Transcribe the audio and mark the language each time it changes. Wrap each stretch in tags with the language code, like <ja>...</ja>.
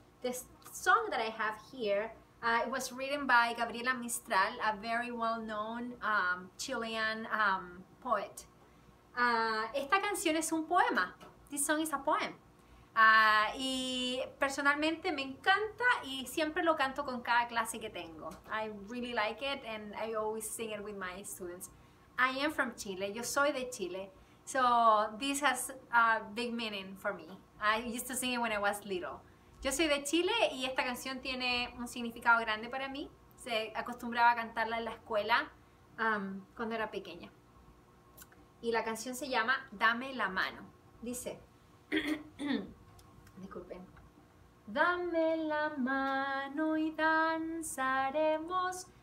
<en>This song that I have here. It was written by Gabriela Mistral, a very well-known Chilean poet.</en> <es>Esta canción es un poema.</es> <en>This song is a poem.</en> <es>Y personalmente me encanta y siempre lo canto con cada clase que tengo.</es> <en>I really like it and I always sing it with my students. I am from Chile.</en> <es>Yo soy de Chile.</es> <en>So this has a big meaning for me. I used to sing it when I was little.</en> <es>Yo soy de Chile y esta canción tiene un significado grande para mí. Se acostumbraba a cantarla en la escuela cuando era pequeña. Y la canción se llama Dame la mano. Dice, disculpen. Dame la mano y danzaremos.</es>